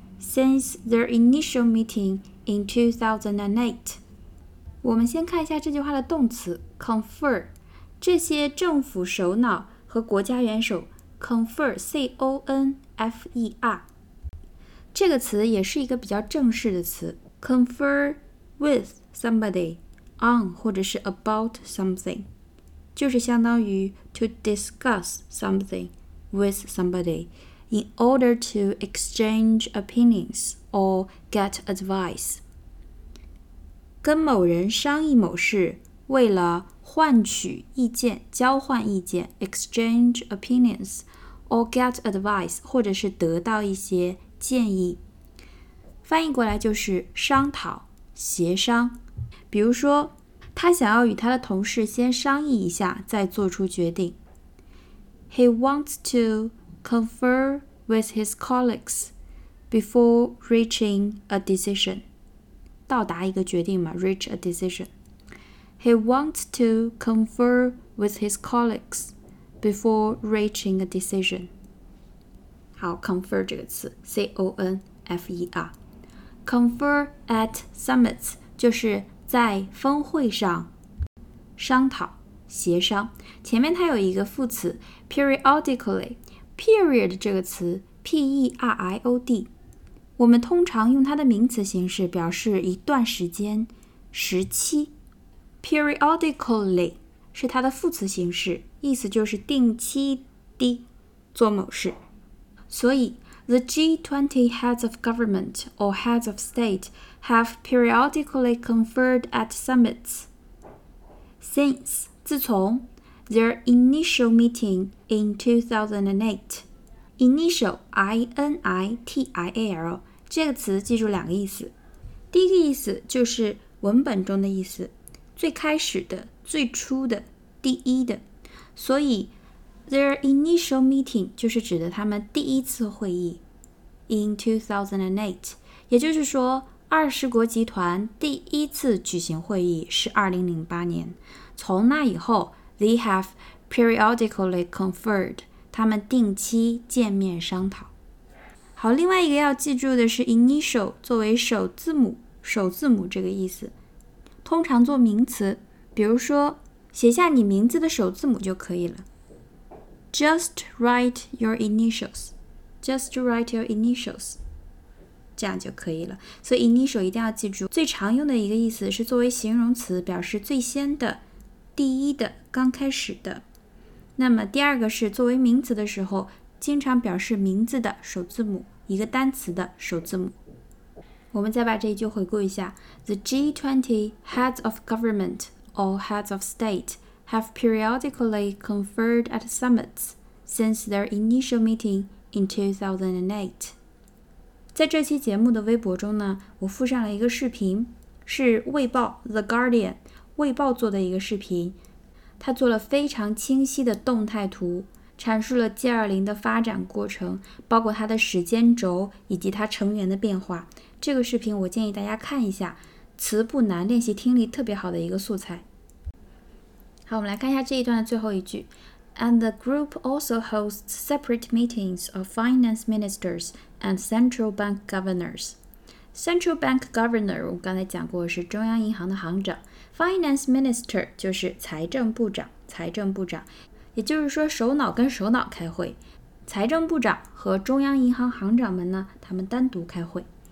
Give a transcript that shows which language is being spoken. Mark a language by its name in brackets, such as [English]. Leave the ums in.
[English] Since their initial meeting in 2008， [Chinese] 我们先看一下这句话的动词 confer。这些政府首脑和国家元首 confer，C-O-N-F-E-R，这个词也是一个比较正式的词。 [English] Confer with somebody on [Chinese] 或者是 [English] about something， [Chinese] 就是相当于 [English] to discuss something with somebody。 in order to exchange opinions or get advice. [Chinese] 跟某人商议某事，为了换取意见、交换意见 [English] opinions） or get advice， [Chinese] 或者是得到一些建议。翻译过来就是商讨、协商。比如说，他想要与他的同事先商议一下，再做出决定。 [English] He wants to confer with his colleagues before reaching a decision. [Chinese] 到达一个决定嘛， [English] reach a decision. He wants to confer with his colleagues before reaching a decision. [Chinese] 好，confer 这个词，c o n f e r. [English] Confer at summits [Chinese] 就是在峰会上商讨协商。前面它有一个副词 periodically period 这个词，p e r i o d，我们通常用它的名词形式表示一段时间、时期。 periodically 是它的副词形式，意思就是定期地做某事。所以， [English] the G20 heads of government or heads of state have periodically conferred at summits since [Chinese] 自从。 [English] Their initial meeting in 2008. [Chinese] Initial, I N I T I A L 这个词记住两个意思。第一个意思就是文本中的意思，最开始的、最初的、第一的。所以， [English] their initial meeting [Chinese] 就是指的他们第一次会议 in 2008。也就是说，二十国集团第一次举行会议是二零零八年。从那以后。 [English] They have periodically conferred. [Chinese] 他们定期见面商讨。好，另外一个要记住的是，initial 作为首字母，首字母这个意思，通常做名词，比如说写下你名字的首字母就可以了。 [English] Just write your initials. Just write your initials. [Chinese] 这样就可以了。所以 initial 一定要记住，最常用的一个意思是作为形容词，表示最先的。第一的，刚开始的。那么第二个是作为名词的时候，经常表示名字的首字母，一个单词的首字母。我们再把这一句回顾一下： [English] The G20 heads of government or heads of state have periodically conferred at summits since their initial meeting in 2008。 [Chinese] 在这期节目的微博中呢，我附上了一个视频，是《卫报》The Guardian。卫报做的一个视频，他做了非常清晰的动态图，阐述了 G 二零的发展过程，包括它的时间轴以及它成员的变化。这个视频我建议大家看一下，词不难，练习听力特别好的一个素材。好，我们来看一下这一段的最后一句： [English] And the group also hosts separate meetings of finance ministers and central bank governors. [Chinese] Central bank governor，我们刚才讲过是中央银行的行长。 Finance Minister 就是财政部长，财政部长，也就是说，首脑跟首脑开会，财政部长和中央银行行长们呢，他们单独开会。